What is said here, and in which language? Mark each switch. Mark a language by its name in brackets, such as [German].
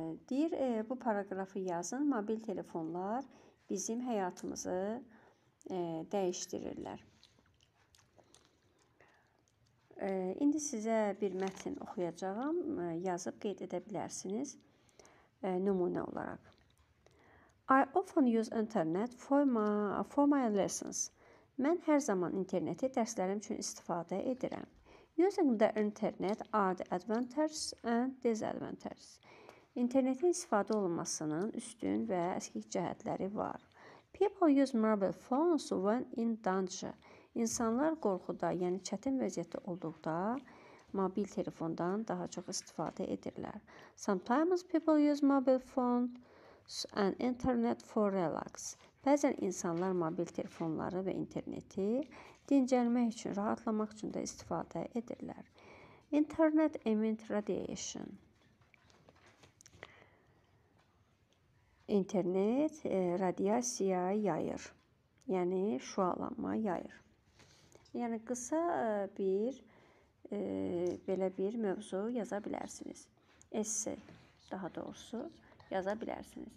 [Azerbaijani] Deyir, bu paragrafı yazın. Mobil telefonlar bizim həyatımızı dəyişdirirlər. İndi sizə bir mətn oxuyacağım. Yazıb qeyd edə bilərsiniz. Nümunə olaraq. [English] I often use internet for my lessons. [Azerbaijani] Mən hər zaman interneti dərslərim üçün istifadə edirəm. [English] Using the internet are the advantages and disadvantages. [Azerbaijani] İnternetin istifadə olunmasının üstün və əskik cəhətləri var. [English] People use mobile phones when in danger. [Azerbaijani] İnsanlar qorxuda, yəni çətin vəziyyətdə olduqda mobil telefondan daha çox istifadə edirlər. [English] Sometimes people use mobile phones and internet for relax. [Azerbaijani] Bəzən insanlar mobil telefonları və interneti dincəlmək üçün, rahatlamaq üçün də istifadə edirlər. [English] Internet emit radiation. [Azerbaijani] İnternet radiasiya yayır. Yəni, şualanma yayır. Yəni, qısa bir belə bir mövzu yaza bilərsiniz. Essay, daha doğrusu, yaza bilərsiniz.